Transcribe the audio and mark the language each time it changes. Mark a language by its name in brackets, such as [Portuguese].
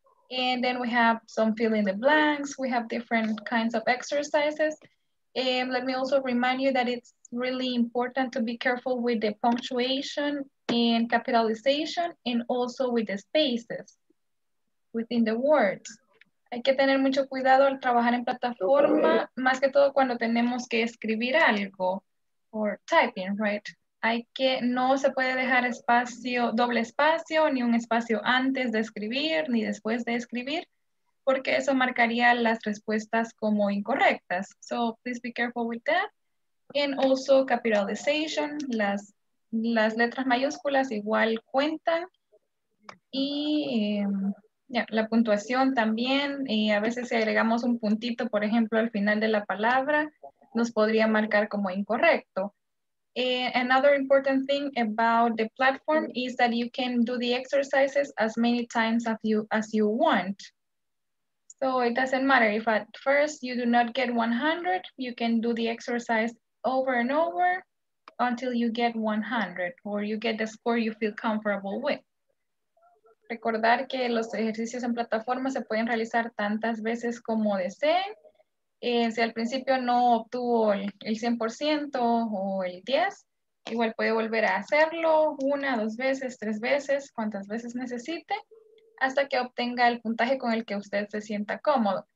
[English] And then we have some fill in the blanks. We have different kinds of exercises. And let me also remind you that it's really important to be careful with the punctuation and capitalization, and also with the spaces within the words. [Spanish] Hay que tener mucho cuidado al trabajar en plataforma, más que todo cuando tenemos que escribir algo, [English] or typing, right? [Spanish] Hay que, no se puede dejar espacio, doble espacio, ni un espacio antes de escribir, ni después de escribir, porque eso marcaría las respuestas como incorrectas. [English] So please be careful with that. And also capitalization, [Spanish] las letras mayúsculas igual cuentan. Y la puntuación también. A veces si agregamos un puntito, por ejemplo, al final de la palabra, nos podría marcar como incorrecto. [English] Another important thing about the platform is that you can do the exercises as many times as you want. So it doesn't matter if at first you do not get 100, you can do the exercise over and over until you get 100 or you get the score you feel comfortable with. [Spanish] Recordar que los ejercicios en plataforma se pueden realizar tantas veces como deseen. Si al principio no obtuvo el 100% o el 10, igual puede volver a hacerlo una, dos veces, tres veces, cuantas veces necesite, hasta que obtenga el puntaje con el que usted se sienta cómodo.